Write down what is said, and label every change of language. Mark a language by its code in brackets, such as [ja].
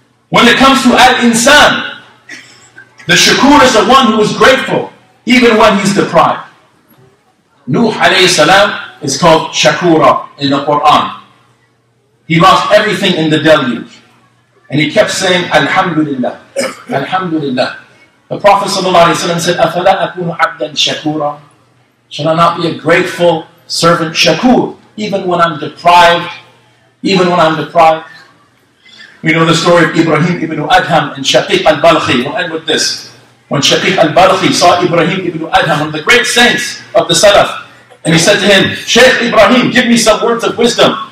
[en] When it comes to Al-Insan, the Shakur is the one who is grateful, even when he's deprived. Nuh alayhi salam is called Shakura in the Quran. He lost everything in the deluge. And he kept saying, Alhamdulillah, Alhamdulillah. The Prophet ﷺ said, [ar] أَفَلَا أَكُونُ عَبْدًا شَكُورًا. [en] Should I not be a grateful servant, shakur, even when I'm deprived, even when I'm deprived? We know the story of Ibrahim ibn Adham and Shaqiq al-Balkhi. We'll end with this. When Shaqiq al-Balkhi saw Ibrahim ibn Adham, one of the great saints of the Salaf, and he said to him, Shaykh Ibrahim, give me some words of wisdom.